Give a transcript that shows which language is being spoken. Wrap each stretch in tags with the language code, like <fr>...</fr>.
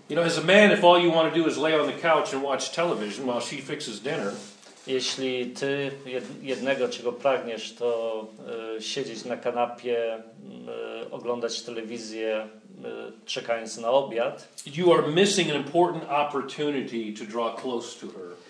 <en>You know, as a man, if all you want to do is lay on the couch and watch television while she fixes dinner.</en> <pl>Jeśli ty jednego czego pragniesz, to siedzieć na kanapie, oglądać telewizję, czekając na obiad.</pl> <en>You are missing an important opportunity to draw close to her.</en>